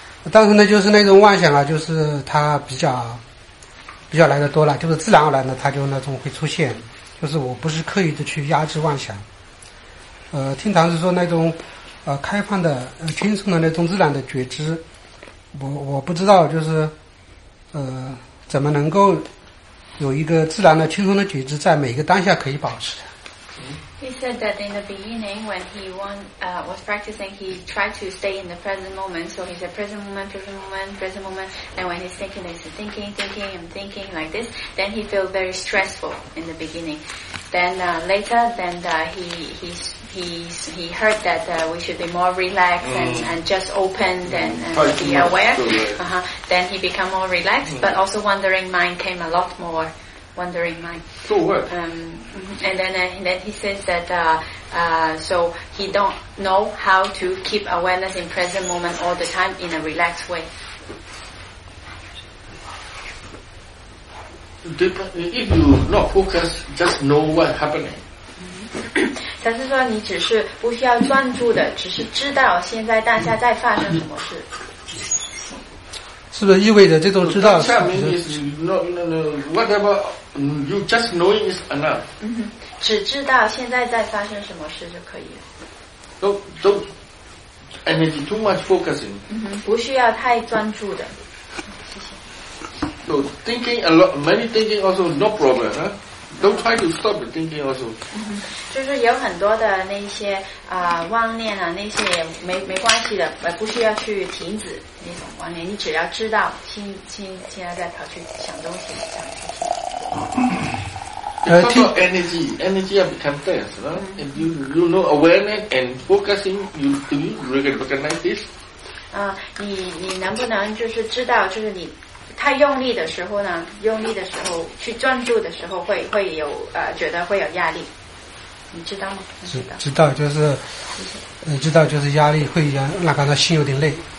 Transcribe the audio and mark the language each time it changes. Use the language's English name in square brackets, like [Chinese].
[Chinese] 但是呢，就是那种妄想啊，就是它比较来的多了，就是自然而然的它就那种会出现，就是我不是刻意的去压制妄想。听唐师说那种开放的轻松的那种自然的觉知，我不知道就是怎么能够有一个自然的轻松的觉知，在每一个当下可以保持。 [English] He said that in the beginning when he was practicing, he tried to stay in the present moment. So he said, present moment, present moment, present moment. And when he's thinking, he's thinking, thinking, and thinking like this. Then he felt very stressful in the beginning. Then later, he heard that we should be more relaxed and just opened and be aware. Then he became more relaxed, but also wandering mind came a lot more. Wondering mind. So what? And then he says that so he don't know how to keep awareness in present moment all the time in a relaxed way. If you not focus, just know what happening. [Chinese] 他是说你只是不需要专注的，只是知道现在当下在发生什么事。是不是意味着这种知道是不是 [English] whatever you just knowing is enough. [Chinese] 只知道现在在发生什么事就可以了。 [English] Don't energy too much focusing. [Chinese] 不需要太专注的。 [English] So thinking a lot, many thinking also no problem, huh? Don't try to stop thinking also. [Chinese] 就是有很多的那些妄念啊，那些也没关系的，不需要去停止那种妄念，你只要知道现在在跑去想东西，这样就行。 [English] It's about energy have become dense, right? And you know awareness and focusing, do you recognize this? [Chinese] 你能不能就是知道，就是你太用力的时候呢？用力的时候，去专注的时候会有觉得会有压力，你知道吗？知道就是，知道就是压力会让那感到心有点累。